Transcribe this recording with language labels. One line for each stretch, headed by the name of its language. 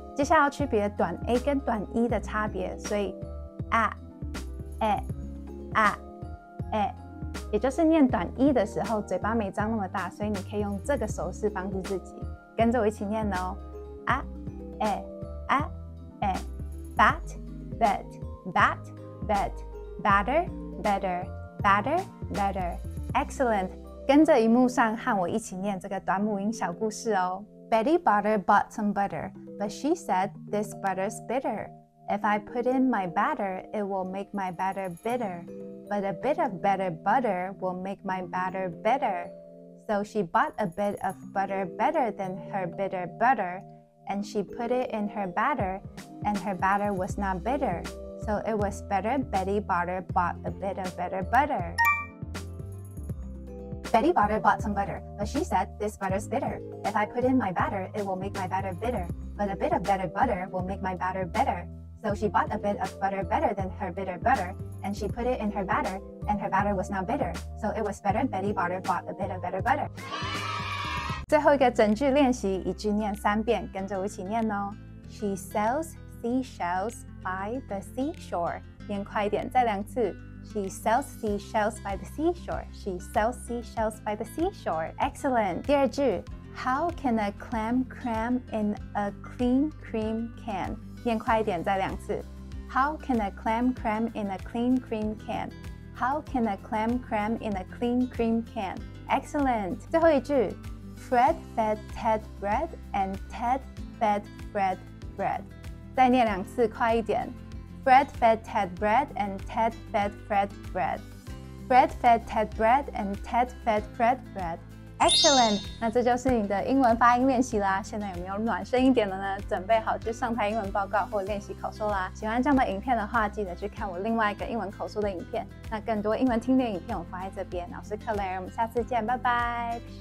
Chinese: 接下来要区别短 a 跟短 e 的差别，所以 a, a, a, a， 也就是念短 e 的时候，嘴巴没张那么大，所以你可以用这个手势帮助自己，跟着我一起念哦。
English: a, a, a, a, bat, bat, bat, bat, butter, butter. Better, better. Excellent.
Chinese: 跟着荧幕上和我一起念这个短母音小故事哦。
English: Betty Butter bought some butter, but she said this butter's bitter. If I put in my batter, it will make my batter bitter. But a bit of better butter will make my batter bitter. So she bought a bit of butter better than her bitter butter, and she put it in her batter, and her batter was not bitter. So it was better Betty Butter bought a bit of better butter. Betty Butter bought some butter, but she said, this butter's bitter. If I put in my batter, it will make my batter bitter. But a bit of better butter will make my batter bitter. So she bought a bit of butter better than her bitter butter, and she put it in her batter, and her batter was not bitter. So it was better Betty Butter bought a bit of better butter.
Chinese: 最后一个整句练习，一句念三遍，跟着我一起念哦。
English: She sells seashells. By the seashore.
Chinese: 念快一点，再两次。
English: She sells seashells by the seashore. She sells seashells by the seashore. Excellent.
Chinese: 第二句。
English: How can a clam cram in a clean cream can?
Chinese: 念快一点，再两次。
English: How can a clam cram in a clean cream can? How can a clam cram in a clean cream can? Excellent.
Chinese: 最后一句。
English: Fred fed Ted bread and Ted fed Fred bread.
Chinese: 再念两次，快一点。
English: Fred fed Ted bread and Ted fed Fred bread. Fred fed Ted bread and Ted fed Fred bread. Excellent!
Chinese: 那这就是你的英文发音练习啦。现在有没有暖身一点了呢？准备好去上台英文报告或练习口说啦。喜欢这样的影片的话，记得去看我另外一个英文口说的影片。那更多英文听力影片我放在这边。老师克雷尔，我们下次见，拜拜。